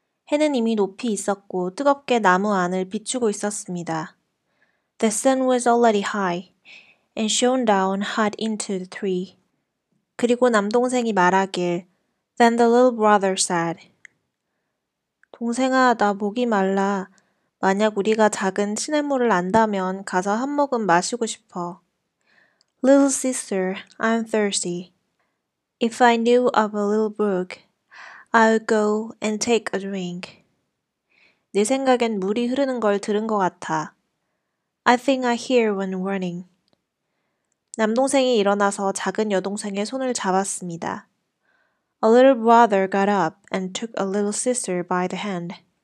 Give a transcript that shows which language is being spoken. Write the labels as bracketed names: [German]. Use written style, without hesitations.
[Korean] 해는 이미 높이 있었고 뜨겁게 나무 안을 비추고 있었습니다. [English] The sun was already high and shone down hot into the tree. [Korean] 그리고 남동생이 말하길, [English] Then the little brother said, [Korean] 동생아, 나 목이 말라. 만약 우리가 작은 시냇물을 안다면 가서 한 모금 마시고 싶어. [English] Little sister, I'm thirsty. If I knew of a little brook, I'll go and take a drink. [Korean] 내 생각엔 물이 흐르는 걸 들은 것 같아. [English] I think I hear one running. [Korean] 남동생이 일어나서 작은 여동생의 손을 잡았습니다. [English] A little brother got up and took a little sister by the hand.